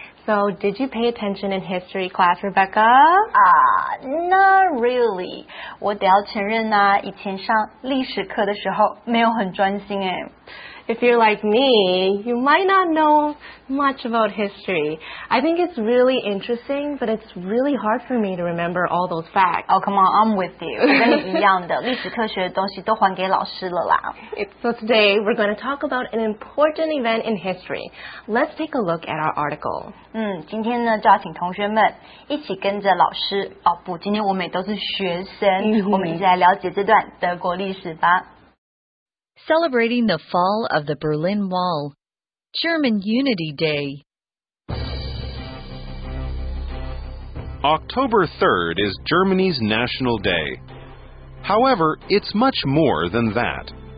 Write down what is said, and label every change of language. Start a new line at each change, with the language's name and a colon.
English: So, did you pay attention in history class, Rebecca? Not really.
Chinese: 我得要承认啊，以前上历史课的时候没有很专心哎。
English: If you're like me, you might not know much about history. I think it's really interesting, but it's really hard for me to remember all those facts. Oh, come on, I'm with you.
Chinese: 跟你一样的，历史科学的东西都还给老师了啦。
English: So today, we're going to talk about an important event in history. Let's take a look at our article.
Chinese: 今天呢，就要请同学们一起跟着老师。哦，不，今天我们也都是学生。我们一起来了解这段德国历史吧。
English: Celebrating the fall of the Berlin Wall, German Unity Day. October 3rd is Germany's National Day. However, it's much more than that.